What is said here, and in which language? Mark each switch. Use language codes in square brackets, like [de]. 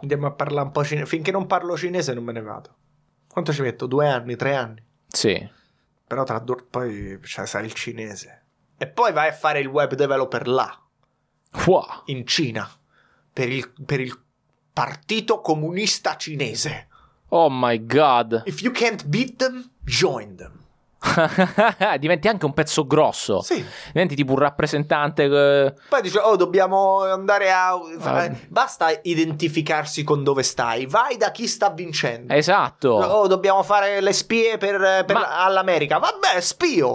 [it] Andiamo a parlare un po' cinese. Finché non parlo cinese non me ne vado. Quanto ci metto? 2 anni? 3 anni? Sì. Però tra due poi, cioè, sai il cinese. E poi vai a fare il web developer là. Qua. In Cina. Per il Partito Comunista Cinese. [en] Oh my god. If you can't beat them, join them. [it] Diventi anche un pezzo grosso. Sì. Diventi tipo un rappresentante. Poi dice, oh, dobbiamo andare a... Basta identificarsi con dove stai. Vai da chi sta vincendo. Esatto. Oh, dobbiamo fare le spie per all'America. Vabbè, spio.